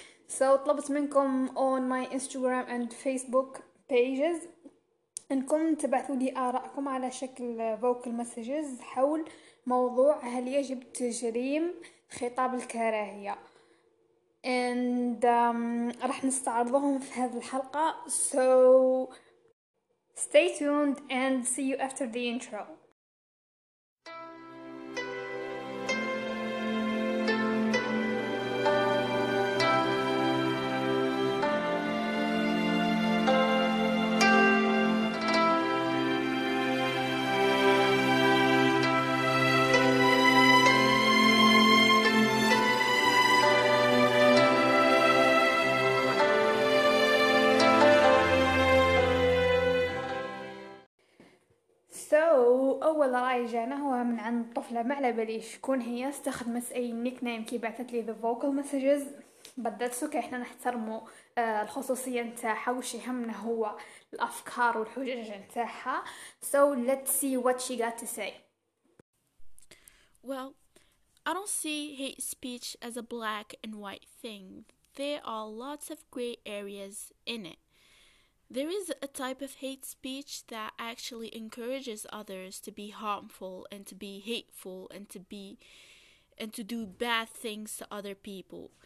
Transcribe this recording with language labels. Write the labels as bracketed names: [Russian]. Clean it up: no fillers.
[English] so [Arabic] طلبت منكم [English] on my Instagram and Facebook pages [Arabic] انكم تبعثوا لي ارائكم على شكل [English] vocal messages [Arabic] حول موضوع هل يجب تجريم خطاب الكراهيه، [English] and [Arabic] راح نستعرضهم في هذه الحلقة. [English] So stay tuned and see you after the intro. [Arabic] أول رأي جانا هو من عند طفلة ما على باليش كون هي استخدمت أي [English] nickname [Arabic] كي بعثت لي [English] the vocal messages. [Arabic] بدات سوكي احنا نحترمو الخصوصية نتاعها، وش يهمنا هو الأفكار والحجج نتاعها. [English] So let's see what she got to say. Well, I don't see hate speech as a black and white thing. There are lots of gray areas in it. There is a type of hate speech that actually encourages others to be harmful and to be hateful and to do bad things to other people.